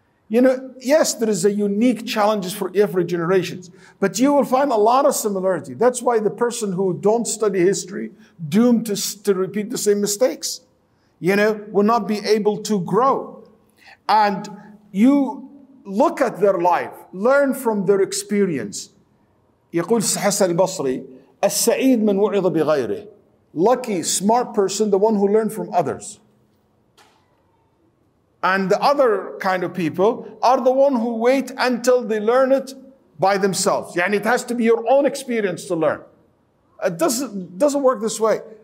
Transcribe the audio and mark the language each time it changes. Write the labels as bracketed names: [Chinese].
[English] You know, yes, there is a unique challenges for every generation, but you will find a lot of similarity. That's why the person who don't study history, doomed to repeat the same mistakes, you know, will not be able to grow. And you look at their life, learn from their experience. [Arabic] يقول حسن البصري, السعيد من وعظ بغيره. [English] Lucky, smart person, the one who learned from others. And the other kind of people are the one who wait until they learn it by themselves. Yeah, and it has to be your own experience to learn. It doesn't work this way.